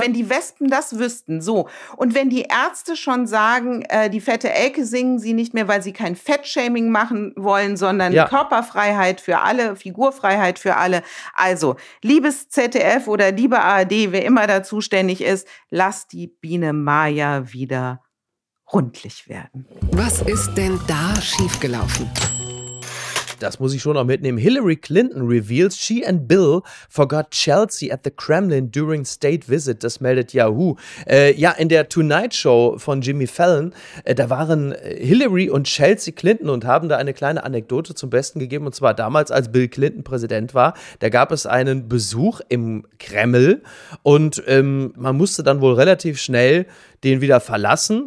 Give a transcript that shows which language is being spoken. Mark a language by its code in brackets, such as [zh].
[de] Wenn die Wespen das wüssten. So. Und wenn die Ärzte schon sagen, die fette Elke singen sie nicht mehr, weil sie kein Fettshaming machen wollen, sondern Körperfreiheit für alle, Figurfreiheit für alle. Also, liebes ZDF oder liebe ARD, wer immer da zuständig ist, lass die Biene Maya wieder rundlich werden. Was ist denn da schiefgelaufen? Das muss ich schon noch mitnehmen. [en] Hillary Clinton reveals she and Bill forgot Chelsea at the Kremlin during state visit. [de] Das meldet Yahoo. In der Tonight Show von Jimmy Fallon, da waren Hillary und Chelsea Clinton und haben da eine kleine Anekdote zum Besten gegeben. Und zwar damals, als Bill Clinton Präsident war, da gab es einen Besuch im Kreml. Und man musste dann wohl relativ schnell den wieder verlassen.